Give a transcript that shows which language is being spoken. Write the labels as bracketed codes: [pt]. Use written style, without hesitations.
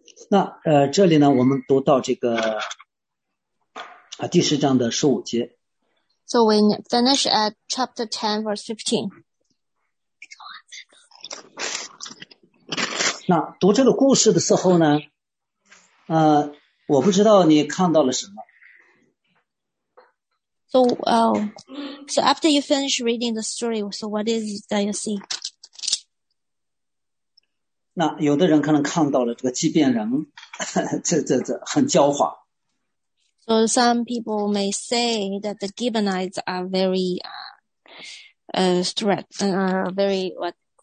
[zh] 那这里呢，我们读到这个第十章的十五节。 [en] So we finish at chapter 10 verse 15. [zh] 那读这个故事的时候呢，我不知道你看到了什么。 [en] So after you finish reading the story, so what is it that you see? [zh] 那有的人可能看到了这个祭便人，这很狡猾。 [en] So some people may say that the Gibeonites are very strict and are very what?